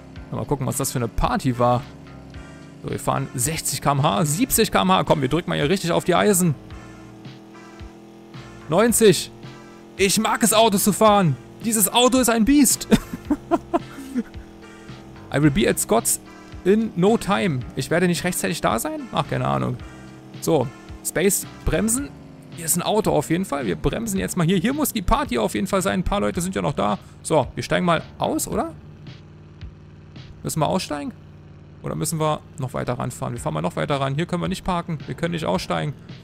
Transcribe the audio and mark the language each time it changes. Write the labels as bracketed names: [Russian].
[German] Mal gucken, was das für eine Party war. So, wir fahren 60 km/h, 70 km/h. Komm, wir drücken mal hier richtig auf die Eisen. 90. Ich mag es, Autos zu fahren. Dieses Auto ist ein Biest. [English] I will be at Scott's in no time. [German] Ich werde nicht rechtzeitig da sein? Ach, keine Ahnung. So, Space, bremsen. Hier ist ein Auto auf jeden Fall. Wir bremsen jetzt mal hier. Hier muss die Party auf jeden Fall sein. Ein paar Leute sind ja noch da. So, wir steigen mal aus, oder? Müssen wir aussteigen? Oder müssen wir noch weiter ranfahren? Wir fahren mal noch weiter ran. Hier können wir nicht parken. Wir können nicht aussteigen.